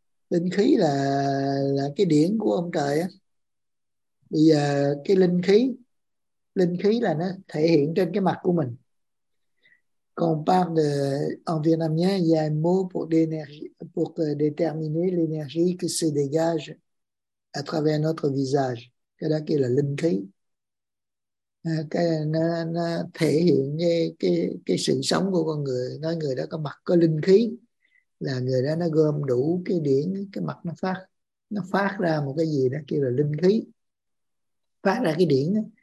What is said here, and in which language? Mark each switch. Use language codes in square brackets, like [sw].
[vi] Linh khí là cái điển của ông trời á. Bây giờ cái linh khí là nó thể hiện trên cái mặt của mình. [fr] Quand on parle de, en vietnamien, il y a un mot pour déterminer l'énergie qui se dégage à travers notre visage. [vi] Cái đó kêu là linh khí. Nó thể hiện cái sự sống của con người. Nói người đó có mặt có linh khí là người đó nó gom đủ cái điển, cái mặt nó phát ra một cái gì đó kêu là linh khí. Phát ra cái điển đó.